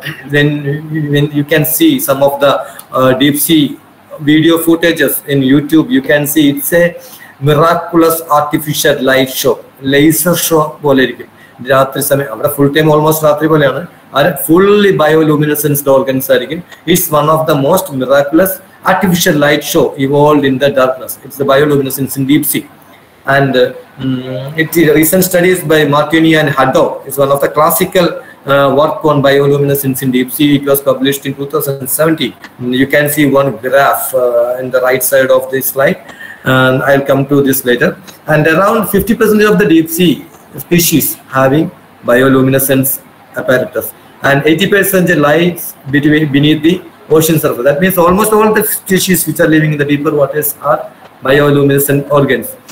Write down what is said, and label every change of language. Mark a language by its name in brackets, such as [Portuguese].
[English] When you can see some of the deep sea video footages in YouTube, you can see it's a miraculous artificial light show, laser show [Malayalam] pole irikkum. രാത്രി സമയം അവിടെ full time almost രാത്രി പോലെയാണ്. അതിൽ fully ബയോലൂമിനസെൻസ്ഡ് organs ആയിരിക്കും. [English] It's one of the most miraculous artificial light show evolved in the darkness. It's the bioluminescence in deep sea. And it recent studies by Martini and Haddock is one of the classical work on bioluminescence in deep sea. It was published in 2017. You can see one graph in the right side of this slide. I'll come to this later. And around 50% of the deep sea species having bioluminescence apparatus, and 80% lies beneath the ocean surface. That means almost all the species which are living in the deeper waters are bioluminescent organs.